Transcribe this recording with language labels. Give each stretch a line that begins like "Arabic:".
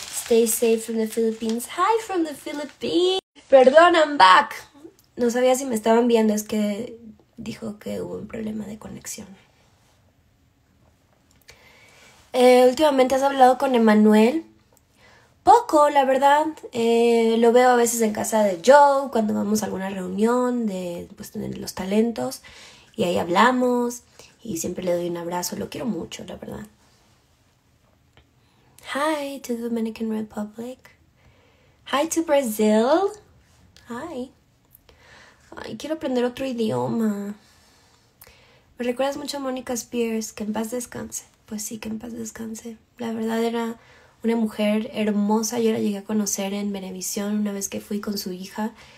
English: Stay safe from the Philippines. Hi from the Philippines.
Spanish: Perdón,
English: I'm back.
Spanish: No sabía si me estaban viendo, es que dijo que hubo un problema de conexión. Últimamente has hablado con Emmanuel. Poco, la verdad. Lo veo a veces en casa de Joe, cuando vamos a alguna reunión de, pues, de los talentos. Y ahí hablamos. Y siempre le doy un abrazo. Lo quiero mucho, la verdad.
English: Hi to the Dominican Republic. Hi to Brazil. Hi.
Spanish: Ay, quiero aprender otro idioma. Me recuerdas mucho a Monica Spears. Que en paz descanse. Pues sí, que en paz descanse. La verdad era una mujer hermosa. Yo la llegué a conocer en Venevisión una vez que fui con su hija.